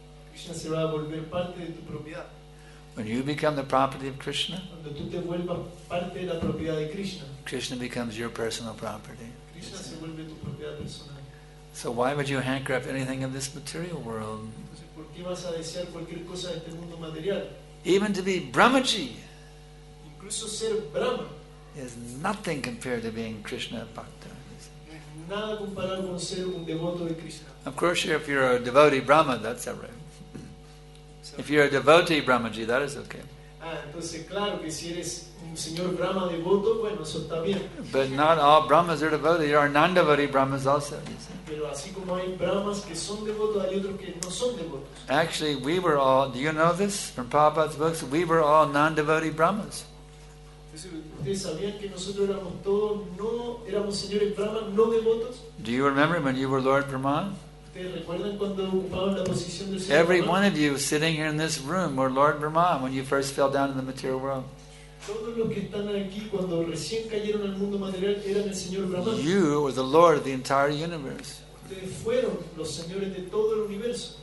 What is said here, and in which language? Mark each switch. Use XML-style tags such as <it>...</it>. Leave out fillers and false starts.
<es>Krishna se va a volver parte de tu propiedad.</es> <en>When you become the property of Krishna,</en> <es>cuando tú te vuelvas parte de la propiedad de Krishna,</es> <en>Krishna becomes your personal property.</en> <es>Krishna se vuelve tu propiedad personal.</es> <en>So why would you hanker after anything of this material world?</en> <es>Entonces, ¿por qué vas a desear cualquier cosa de este mundo material?</es> <en>Even to be Brahmaji,</en> <es>incluso ser Brahma,</es> <en>is nothing compared to being Krishna Bhakta.</en> <es>Nada comparado con ser un devoto de Krishna.</es> <en>Of course, if you're a devotee Brahma, that's all right. If you're a devotee Brahmaji, that is okay.</en> <es>Ah, entonces claro que si eres un señor Brahma devoto, bueno, eso está bien.</es> <en>But not all Brahmas are devotees. There are non-devotee Brahmas also. You see.</en> <es>Pero así como hay Brahmas que son devotos, hay otros que no son devotos.</es> <en>Actually, we were all. Do you know this from Prabhupada's books? We were all non-devotee Brahmas.</en> <es>¿Ustedes sabían que nosotros éramos todos no éramos señores brahmas no devotos?</es> <en>Do you remember when you were Lord Brahma?</en> <es>¿Ustedes recuerdan cuando ocupaban la posición del señor?</es> <en>Every Brahma? One of you sitting here in this room were Lord Brahma when you first fell down in the material world.</en> <es>Todos los que están aquí cuando recién cayeron al mundo material eran el señor Brahma.</es> <en>You were the Lord of the entire universe.</en> <es>Ustedes fueron los señores de todo el universo.</es>